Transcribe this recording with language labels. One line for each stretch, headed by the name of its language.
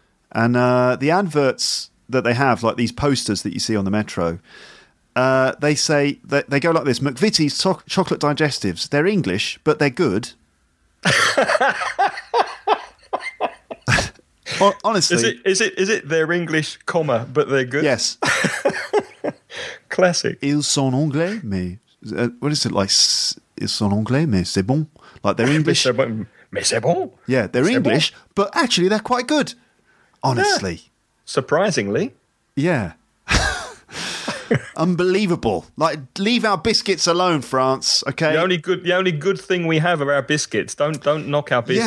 English: And the adverts that they have, like these posters that you see on the metro... they say that they go like this: McVitie's chocolate digestives. They're English, but they're good. Honestly, is it they're English, comma, but they're good? Yes. Classic.
French: Ils sont anglais, mais
English: what is it like?
French: Ils sont anglais, mais c'est bon.
English: Like they're English,
French: mais c'est bon.
English: Yeah, they're English, bon. But actually they're quite good. Honestly, yeah. Surprisingly, yeah. Unbelievable. Like, leave our biscuits alone, France, okay? The only good thing we have are our biscuits. Don't knock our biscuits.